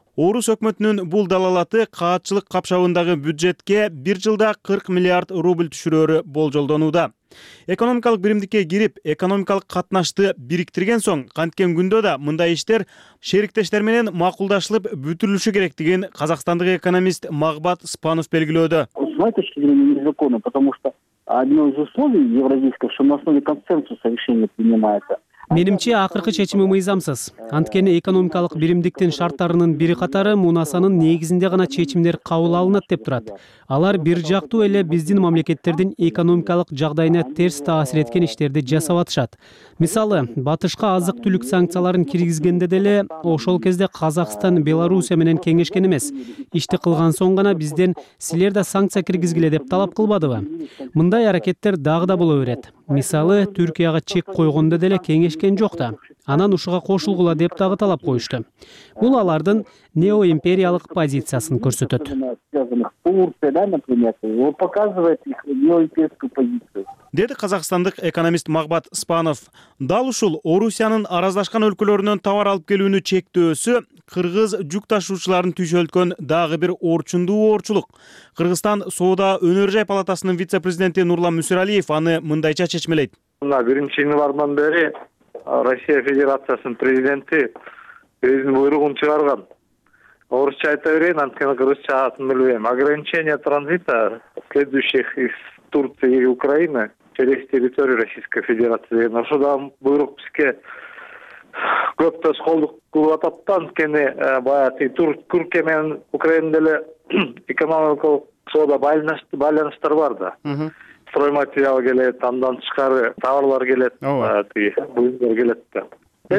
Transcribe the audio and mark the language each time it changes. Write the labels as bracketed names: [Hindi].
[Kyrgyz] Орус өкмөтүнүн бул далалаты каатчылык капшабындагы бюджетке 1 жылда 40 миллиард рубль түшүрөрү болжолдонууда. Экономикалык биримдикке кирип, экономикалык катнашты бириктирген соң канткен күндө да мындай иштер шериктештер менен макулдашылып бүтүрүлүшү керектигин казакстандык экономист Магбат Спанов белгилөөдө. [Russian] С моей точки зрения незаконно, потому что одно из условий евразийского, что на основе консенсуса решение принимается. [Kyrgyz] Менимче акыркы чечими мыйзамсыз. Анткени экономикалык биримдиктин шарттарынын бири катары мунасанын негизинде гана чечимдер кабыл алынат деп турат. Алар бир жактуу эле биздин мамлекеттердин экономикалык жагдайына терс таасир эткен иштерди жасап атышат. Мисалы, батышка азык түлүк санкцияларын киргизгенде деле ошол кезде Казакстан Белоруссия менен кеңешкен эмес. Ишти кылган соң гана бизден силер да санкция киргизгиле деп талап кылбадыбы? Мындай аракеттер дагы да боло берет. Мисалы, Түркияга чек койгондо деле кеңешкен жок да. Анан ушуга кошулгула деп дагы талап коюшту. Бул алардын неоимпериялык позициясын көрсөтөт. Деди казакстандык экономист Магбат Спанов. Дал ушул Орусиянын араздашкан өлкөлөрүнөн товар алып келүүнү чектөөсү кыргыз жүк ташуучуларын түшөлткөн дагы бир орчундуу оорчулук. Кыргызстан соода өнөр жай палатасынын вице-президенти Нурлан Мүсүралиев аны мындайча чечмелейт. Мына 1 январдан бери Россия Федерациясынын президенти өзүнүн буйругун чыгарган. Орусча айта берейин, анткени кыргызча атын билбейм. [Russian] Ограничение транзита следующих из Турции и Украины через территорию Российской Федерации [Kyrgyz] деген. Ошо да буйрук бизге көп тоскоолдук кылып атат да, анткени баягы Түркия менен Украинада эле экономикалык соода байланыштар бар да. Строй материал келет, андан тышкары товарлар келет, тиги буюмдар келет да.